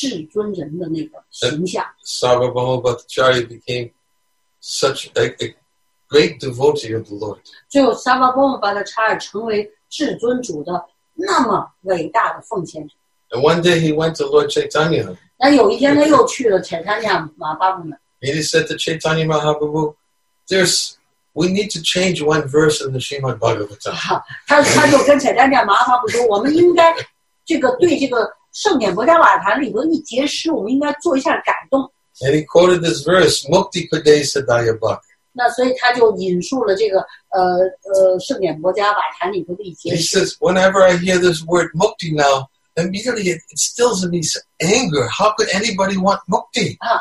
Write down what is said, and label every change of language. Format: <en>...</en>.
<zh>所以他最后就向主彩丹娘麻阿帕布就是投靠皈依了。那么彩丹娘麻阿帕布就展示了自己作为至尊人的那个形象。</zh> <en>Sarvabhauma Bhattacharya became such a great devotee of the Lord.</en> <zh>最后 Sarvabhauma Bhattacharya 成为至尊主的那么伟大的奉献者。</zh> <en>And one day he went to Lord Chaitanya.</en> <zh>那有一天他又去了彩丹娘麻阿帕布那。</zh> <en>And he said to Chaitanya Mahaprabhu, we need to change one verse in the Srimad Bhagavatam.</en> <zh>他就跟彩丹娘麻阿帕布说，我们应该这个对这个圣典摩迦瓦坛里头一节诗，我们应该做一下改动。</zh> <en>And he quoted this verse, Mukti Kade Sadaya Bhak.</en> <zh>那所以他就引述了这个圣典摩迦瓦坛里头的一节诗。</zh> <en>He says, whenever I hear this word Mukti now, immediately it instills in me anger. How could anybody want mukti?</en>